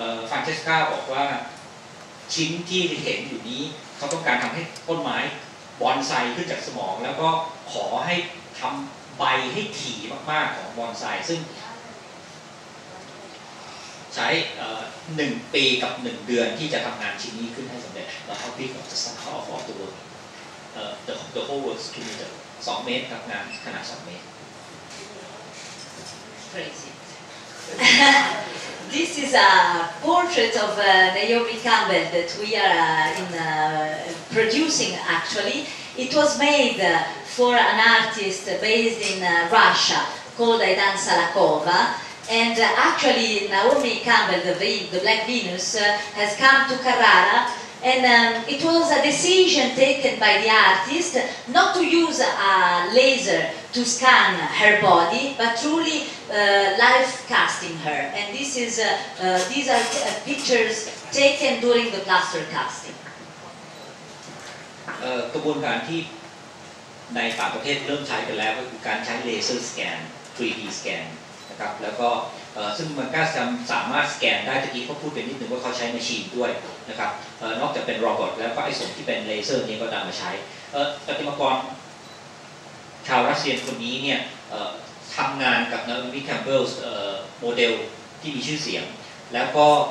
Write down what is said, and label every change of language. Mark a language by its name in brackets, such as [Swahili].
[Thai] ฟรานเชสกาบอกว่าชิ้นที่เห็นอยู่นี้เขาต้องการทำให้ต้นไม้บอนไซขึ้นจากสมองแล้วก็ขอให้ทำใบให้ถี่มากๆของบอนไซซึ่งใช้1ปีกับ1เดือนที่จะทำงานชิ้นนี้ขึ้นให้สำเร็จแล้วเขาพิกออกจากสังเคราะห์ของตัว [English] the whole world's kilometer [Thai] 2 เมตรครับงานขนาด2เมตร [English] crazy this is a portrait of Naomi Campbell that we are producing actually it was made for an artist based in Russia called Aidan Salakova and actually Naomi Campbell the Black Venus has come to Carrara And it was a decision taken by the artist not to use a laser to scan her body, but truly life casting her. And this is these are pictures taken during the plaster casting. [Thai] กระบวนการที่ในต่างประเทศเริ่มใช้กันแล้วก็คือการใช้เลเซอร์สแกน 3D สแกนนะครับแล้วก็ซึ่งมันก็สามารถสแกนได้ตะกี้เขาพูดไปนิดนึงว่าเขาใช้แมชชีนด้วยนะครับนอกจากเป็นโรบอทแล้วก็ไอ้ส่วนที่เป็นเลเซอร์นี้ก็นำมาใช้ปฏิมากรชาวรัสเซียคนนี้เนี่ยทำงานกับนาโอมิแคมเบิลโมเดลที่มีชื่อเสียงแล้วก็